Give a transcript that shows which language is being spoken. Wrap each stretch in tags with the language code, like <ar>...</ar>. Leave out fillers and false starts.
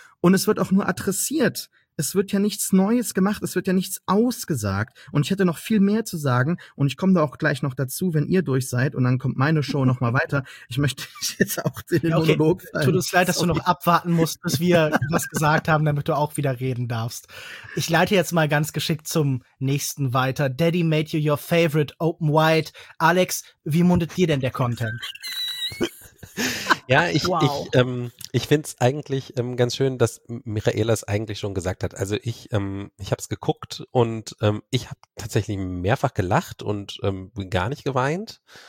<de>Und es wird auch nur adressiert. Es wird ja nichts Neues gemacht, es wird ja nichts ausgesagt und ich hätte noch viel mehr zu sagen und ich komme da auch gleich noch dazu, wenn ihr durch seid und dann kommt meine Show nochmal weiter. Ich möchte jetzt auch den Monolog fallen. Tut uns leid, dass du noch abwarten musst, bis wir was gesagt haben, damit du auch wieder reden darfst. Ich leite jetzt mal ganz geschickt zum nächsten weiter.</de> <en>Daddy made you your favorite open wide.</en> <de>Alex, wie mundet dir denn der Content? Ja, ich find's eigentlich ganz schön, dass Michaela es eigentlich schon gesagt hat. Also ich habe es geguckt und ich habe tatsächlich mehrfach gelacht und gar nicht geweint.</de>